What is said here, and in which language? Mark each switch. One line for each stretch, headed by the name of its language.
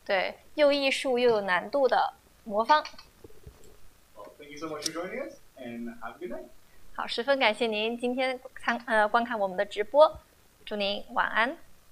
Chinese: 是的，我们现在呢，继续，如果是点赞或者是喜欢我们的视频，关注我们的频道，加入我们的邮件清单的话，都还是有机会可以得到我们的这个非常可爱，然后非常有意思的我们的手办啊，还有包括我们的这个扑克牌，好，这个扑克牌也是透明了，对，然后还有我们就是，对，又艺术又有难度的魔方。
English: Thank you so much for joining us, and have a good night.
Chinese: 好，十分感谢您今天观看我们的直播，祝您晚安。